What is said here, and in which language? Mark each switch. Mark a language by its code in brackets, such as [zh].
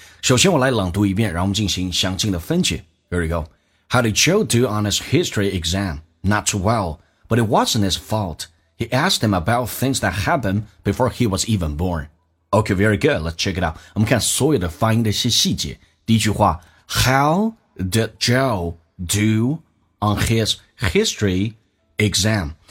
[zh] 首先我来朗读一遍，然后我们进行详尽的分解。 [en] Here we go. How did Joe do on his history exam? Not too well, but it wasn't his fault. He asked him about things that happened before he was even born. Okay, very good. Let's check it out. [zh] 我们看所有的发音的一些细节。第一句话， [en] How did Joe do on his history exam?